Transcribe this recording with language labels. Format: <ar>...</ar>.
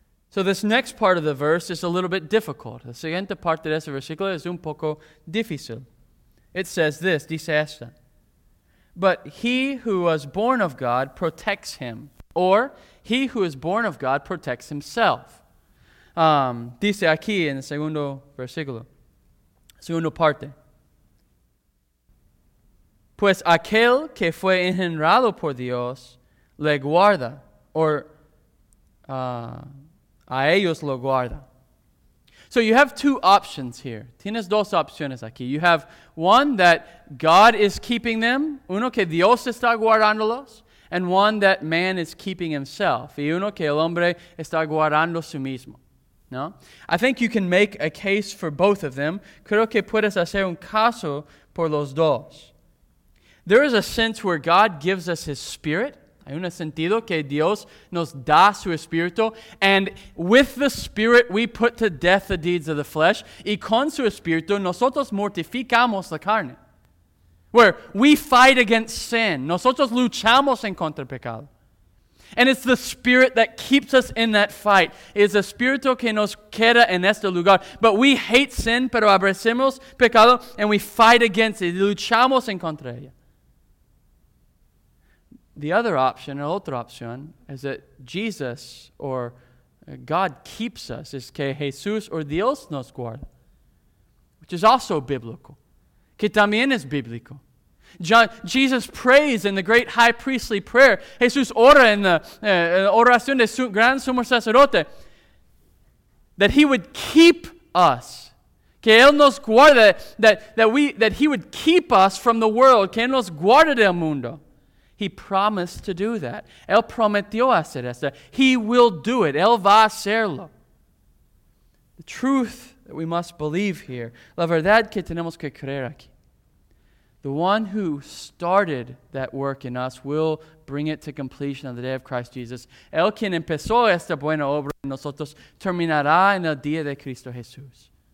<en>So this next part of the verse is a little bit difficult.</en> <es>La siguiente parte de ese versículo es un poco difícil.</es> <en>It says this,</en> <es>dice esta.</es> <en>But he who was born of God protects him. Or, he who is born of God protects himself.</en> <es>Dice aquí en el segundo versículo. Segundo parte. Pues aquel que fue engendrado por Dios le guarda. Or, a ellos lo guarda.</es> <en>So you have two options here.</en> <es>Tienes dos opciones aquí.</es> <en>You have one that God is keeping them.</en> <es>Uno que Dios está guardándolos.</es> <en>And one that man is keeping himself.</en> <es>Y uno que el hombre está guardando su mismo. No?</es> <en>I think you can make a case for both of them.</en> <es>Creo que puedes hacer un caso por los dos.</es> <en>There is a sense where God gives us his spirit.</en> <es>Hay un sentido que Dios nos da su espíritu.</es> <en>And with the spirit, we put to death the deeds of the flesh.</en> <es>Y con su espíritu, nosotros mortificamos la carne.</es> <en>Where we fight against sin.</en> <es>Nosotros luchamos en contra el pecado.</es> <en>And it's the spirit that keeps us in that fight.</en> <es>Es el espíritu que nos queda en este lugar.</es> <en>But we hate sin,</en> <es>pero aborrecemos pecado.</es> <en>And we fight against it.</en> <es>Luchamos en contra ella.</es> <en>The other option,</en> <es>el otro opción,</es> <en>is that Jesus or God keeps us,</en> <es>es que Jesús or Dios nos guarda,</es> <en>which is also biblical,</en> <es>que también es bíblico.</es> <en>Jesus prays in the great high priestly prayer.</en> <es>Jesús ora en la oración de su gran sumo sacerdote,</es> <en>that he would keep us.</en> <es>Que él nos guarde,</es> <en>that he would keep us from the world.</en> <es>Que él nos guarde del mundo.</es> <en>He promised to do that.</en> <es>Él prometió hacer eso.</es> <en>He will do it.</en> <es>Él va a hacerlo.</es> <en>The truth that we must believe here.</en> <es>La verdad que tenemos que creer aquí.</es> <en>The one who started that work in us will bring it to completion on the day of Christ Jesus.</en> <es>El quien empezó esta buena obra en nosotros terminará en el día de Cristo Jesús.</es>